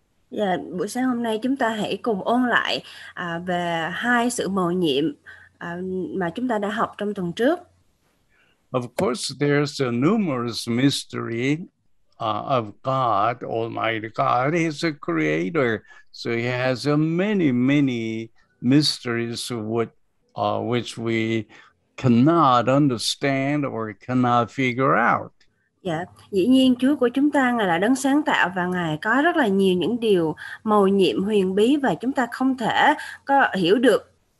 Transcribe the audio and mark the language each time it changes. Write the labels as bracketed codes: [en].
[vi] Yeah, buổi sáng hôm nay chúng ta hãy cùng ôn lại về hai sự mầu nhiệm mà chúng ta đã học trong tuần trước. [en] Of course, there's a numerous mystery of God, Almighty God. He's a creator, so he has many, many mysteries which we cannot understand or cannot figure out. [vi] Yeah, dĩ nhiên Chúa của chúng ta là đấng sáng tạo và Ngài có rất là nhiều những điều mầu nhiệm huyền bí và chúng ta không thể có hiểu được.